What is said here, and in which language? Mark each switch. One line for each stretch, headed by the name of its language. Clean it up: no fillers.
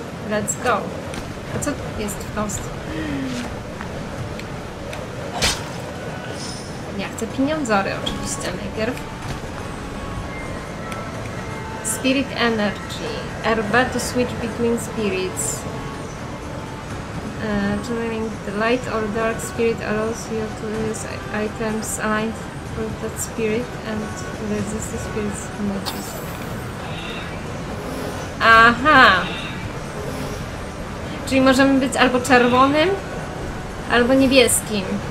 English: Let's go.
Polish: A co jest w kostce? Ja chcę pieniądzory oczywiście najpierw.
English: Spirit Energy. RB to switch between spirits. Generating the light or dark spirit allows you to use items aligned with that spirit and resist the spirit's energy. Aha!
Polish: Czyli możemy być albo czerwonym, albo niebieskim.